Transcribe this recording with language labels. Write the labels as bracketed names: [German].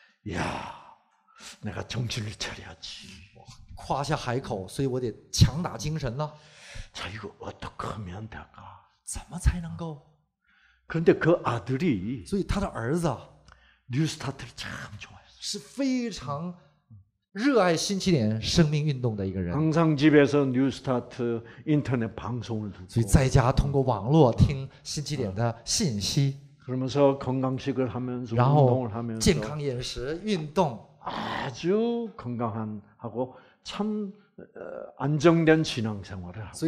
[Korean] 야, 내가 정신을 차려야지. [Chinese] 夸下海口，所以我得强打精神呢. [Korean] 자, 이거 어떻게 하면 될까? [Chinese] 怎么才能够? [Korean] 그런데 그 아들이 [Chinese] 所以他的儿子 [Korean] 뉴스타트를 참 좋아했어. [Chinese] 是非常 热爱新起点生命运动的一个人. [Korean] 항상 집에서 뉴스타트 인터넷 방송을 듣고. [Chinese] 所以在家通过网络听新起点的信息. [Korean] 그러면서 건강식을 하면서 운동을 하면서. [Chinese] 健康饮食运动. [Korean] 아주 건강한 하고 참 안정된 신앙생활을.